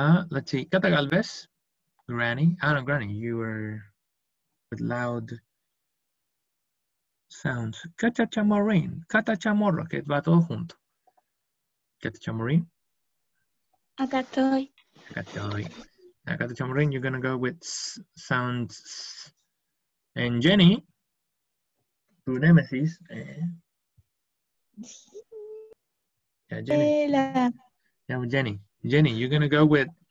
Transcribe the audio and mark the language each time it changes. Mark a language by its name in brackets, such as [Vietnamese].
[English] Let's see, Cata Galvez, Granny. Oh no, Granny, you were with loud sounds. [Spanish] Cata Chamorín, Cata Chamorro, que va todo junto. Cata Chamorín. Acá estoy. [English] Now, Cata Chamorín, you're gonna go with sounds. And Jenny, [Spanish] tu nemesis. [English] Yeah, Jenny. [Spanish] Hola. [English] Yeah, with Jenny. Jenny, you're gonna go with